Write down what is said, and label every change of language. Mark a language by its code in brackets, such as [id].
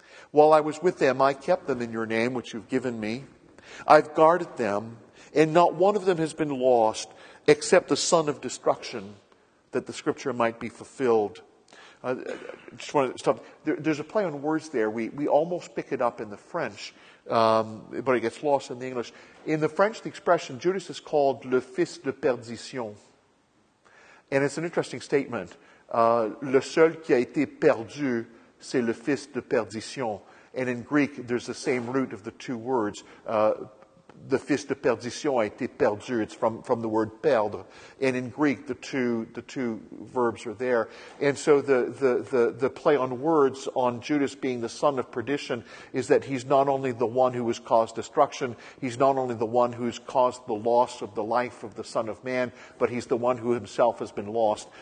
[en] While I was with them, I kept them in your name, which you've given me. I've guarded them, and not one of them has been lost, except the son of destruction, that the scripture might be fulfilled. Just want to stop. There's a play on words there. We almost pick it up in the French, but it gets lost in the English. In the French, the expression Judas is called [fr] le fils de perdition. [en] And it's an interesting statement. [fr] Le seul qui a été perdu, c'est le fils de perdition. [en] And in Greek, there's the same root of the two words. [fr] The fils de perdition a été perdu. [en] It's from the word perdre. And in Greek, the two verbs are there. And so the play on words on Judas being the son of perdition is that he's not only the one who has caused destruction, he's not only the one who's caused the loss of the life of the Son of Man, but he's the one who himself has been lost.